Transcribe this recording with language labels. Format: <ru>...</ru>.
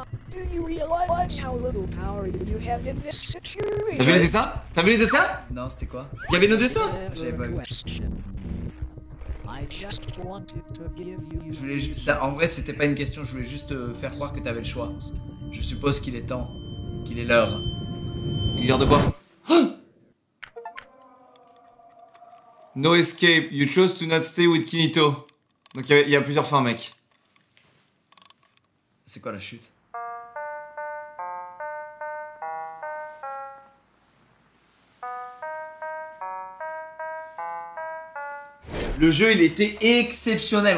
<en>Do you realize how little power you have in this situation?</en> <fr>T'as vu les dessins? T'as vu les dessins? Non, c'était quoi? Y'avait nos dessins? J'avais pas vu.</fr> <en>I just wanted to give you.</en> <fr>Je voulais ça, en vrai, c'était pas une question. Je voulais juste faire croire que t'avais le choix. Je suppose qu'il est temps. Qu'il est l'heure. Il est l'heure de quoi?</fr> <en>No escape, you chose to not stay with Kinito.</en> <fr>Donc il y a plusieurs fins, mec. C'est quoi la chute? Le jeu, il était exceptionnel.</fr>